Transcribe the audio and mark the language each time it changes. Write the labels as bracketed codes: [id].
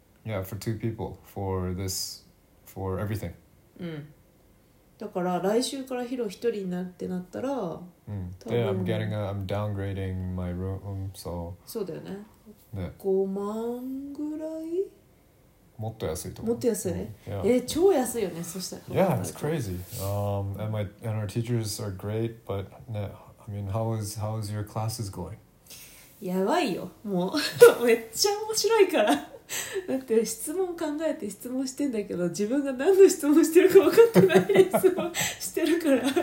[en] Yeah, for two people, for this, for everything. [ja] だから来週からヒロ1人になってなったら、 [en] Yeah, I'm getting a, I'm downgrading my room, so. [ja] そうだよね。5万ぐらい？もっと安いと思う。もっと安い？超安いよね。そしたら。 [en] Yeah, it's crazy. And my and our teachers are great, but I mean, how is your classes going? [ja] やばいよ。もうめっちゃ面白いから。だって質問考えて質問してんだけど、自分が何の質問してるか分かってない質問してるから。